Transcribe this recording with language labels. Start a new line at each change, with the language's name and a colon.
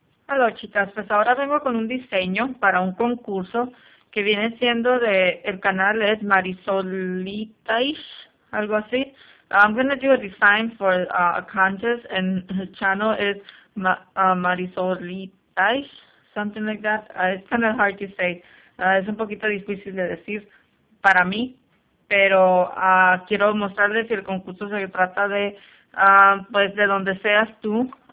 Spanish: Hola, chicas, pues ahora vengo con un diseño para un concurso que viene siendo el canal es Marisolita-ish, algo así.
English: I'm gonna do a design for a contest and her channel is Marisolita-ish, something like that. It's kind of hard to say.
Spanish: Es un poquito difícil de decir para mí, pero quiero mostrarles que el concurso se trata de, pues de donde seas tú.